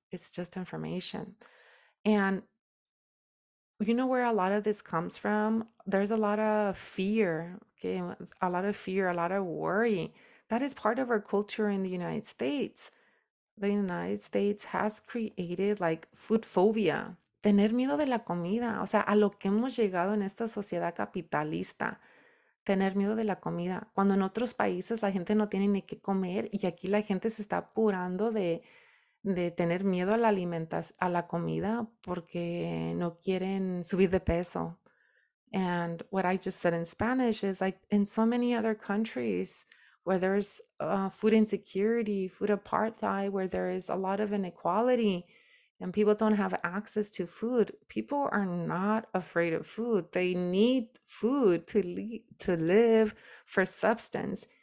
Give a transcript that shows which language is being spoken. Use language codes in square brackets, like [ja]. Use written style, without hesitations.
[en] It's just information. And you know where a lot of this comes from? There's a lot of fear, okay? A lot of fear, a lot of worry. That is part of our culture in the United States. The United States has created like food phobia. [es] Tener miedo de la comida. O sea, a lo que hemos llegado en esta sociedad capitalista. Tener miedo de la comida. Cuando en otros países la gente no tiene ni qué comer y aquí la gente se está apurando de tener miedo a la alimentación, a la comida, porque no quieren subir de peso. [en] And what I just said in Spanish is like in so many other countries where there's food insecurity, food apartheid, where there is a lot of inequality and people don't have access to food, people are not afraid of food. They need food to live for substance.